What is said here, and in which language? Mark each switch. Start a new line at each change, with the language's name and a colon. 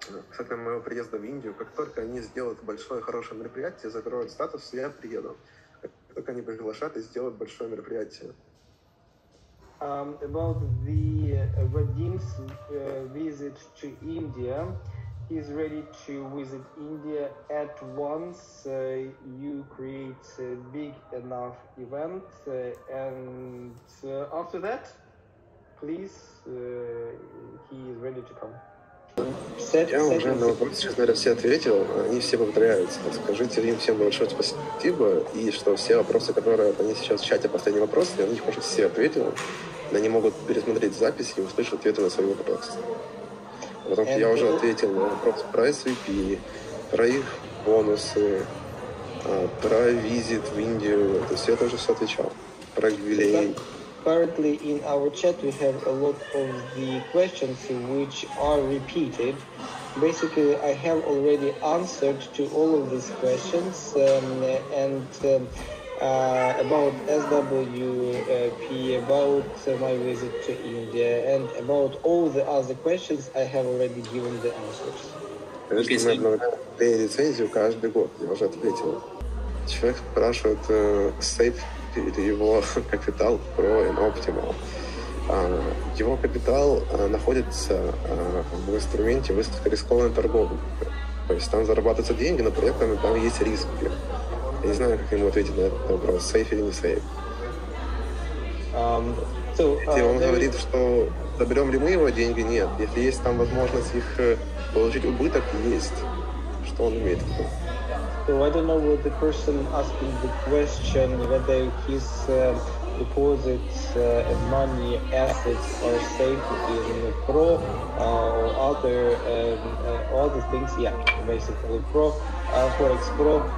Russian: Кстати, моего приезда в Индию, как только они сделают большое хорошее мероприятие, закроют статус, я приеду. Как только они приглашат и сделают большое мероприятие.
English: About the Vadim's visit to India, he's ready to visit India at once you create a big enough event, and after that, please, he is ready to come.
Russian: Я уже на вопросы, честно говоря, все ответил, они все повторяются. Скажите им всем большое спасибо, и что все вопросы, которые они сейчас в чате, последний вопрос, я на них уже все ответил. Они могут пересмотреть запись и услышать ответы на свои вопросы. Потому что я уже ответил на вопрос про SVP, про их бонусы, про визит в Индию. То есть я тоже все отвечал. Про юбилей.
English: Currently in our chat we have a lot of the questions which are repeated. Basically, I have already answered to all of these questions, about SWP, about my visit to India, and about all the other questions, I have already given the answers.
Russian: Okay, лицензию каждый год, я уже ответил. Человек спрашивает сейф или его капитал про Optimal. Его капитал находится в инструменте выставка рискованной торговли. То есть там зарабатываются деньги, но при этом там есть риск. Я не знаю, как ему ответить на этот вопрос, сейф или не сейф. Он говорит, что заберем ли мы его деньги? Нет. Если есть там возможность их получить убыток, есть. Что он имеет в виду?
English: So I don't know what the person asking the question, whether his deposits and money, assets are safe in the pro or other other things, basically pro, Forex pro.